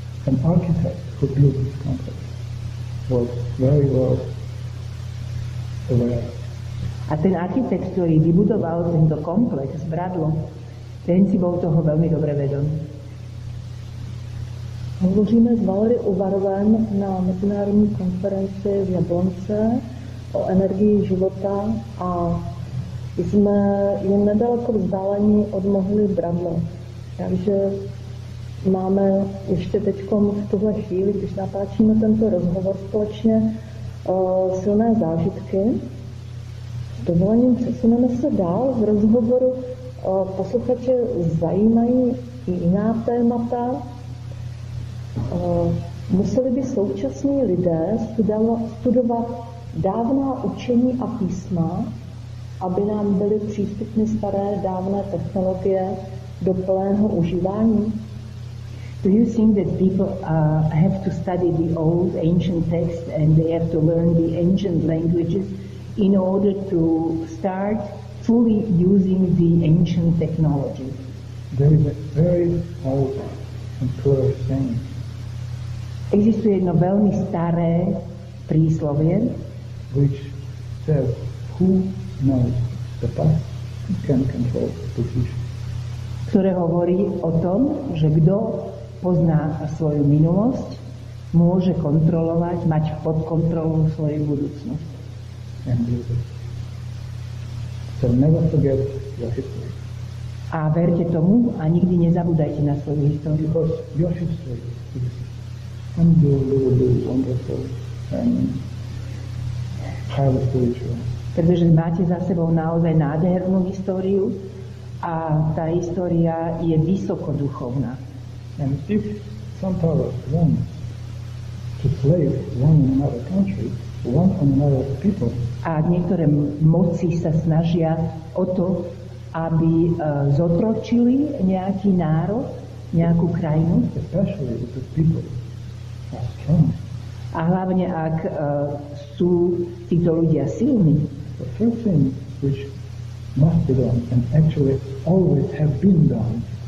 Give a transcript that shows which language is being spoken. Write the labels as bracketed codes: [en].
[en] An architect who built this complex was very well aware. [sk] A ten architekt, ktorý vybudoval tento komplex s bradlom, ten si bol toho veľmi dobre vedomý. [cs] Hovoříme s Valery Uvarovem na mezinárodní konferenci v Jablonce o energii života a jsme jen nedaleko vzdálení od mohyly bradlo. Takže máme ještě teď v tuhle chvíli, když natáčíme tento rozhovor společně, silné zážitky. S dovolením přesuneme se dál. V rozhovoru posluchače zajímají i jiná témata. Museli by současní lidé studovat dávná učení a písma, aby nám byly přístupny staré dávné technologie do plného užívání? [en] Do you think that people have to study the old ancient texts and they have to learn the ancient languages in order to start fully using the ancient technology? There is a very old and clear saying. [sk] Existuje jedno veľmi staré príslovie, [en] which says, who knows the past can control the future. [sk] Ktoré hovorí o tom, že kto pozná svoju minulosť, môže kontrolovať, mať pod kontrolou svoju budúcnosť. [en] So never forget your history. [sk] A verte tomu a nikdy nezabúdajte na svoju históriu. [en] Because your history is unbelievably wonderful and highly spiritual. [sk] Pretože máte za sebou naozaj nádhernú históriu a tá história je vysoko duchovná. [en] And if some power wants to slave one in another country, one on another people. [sk] A niektoré moci sa snažia o to, aby zotročili nejaký národ, nejakú krajinu. [en] Especially if the people are strong. [sk] A hlavne ak sú títo ľudia silní. [en] The first thing which must be done and actually always have been done.